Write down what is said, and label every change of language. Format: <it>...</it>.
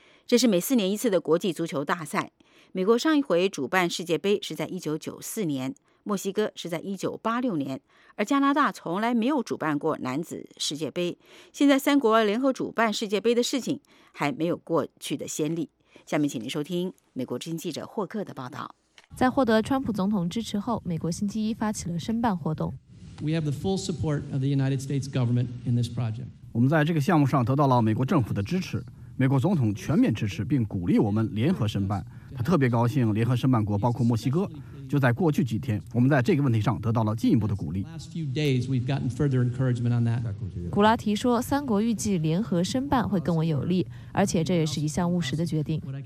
<zh>这是每4年一次的国际足球大赛。美国上一回主办世界杯是在1994年，墨西哥是在1986年，而加拿大从来没有主办过男子世界杯。现在三国联合主办世界杯的事情还没有过去的先例。下面请您收听美国之音记者霍克的报道。在获得川普总统支持后，美国星期一发起了申办活动。</zh> <en>We have the full support of the United States government in this project.</en> <zh>我们在这个项目上得到了美国政府的支持，美国总统全面支持并鼓励我们联合申办。他特别高兴联合申办国包括墨西哥。就在过去几天，我们在这个问题上得到了进一步的鼓励。古拉提说，三国预计联合申办会更为有利，而且这也是一项务实的决定。</zh>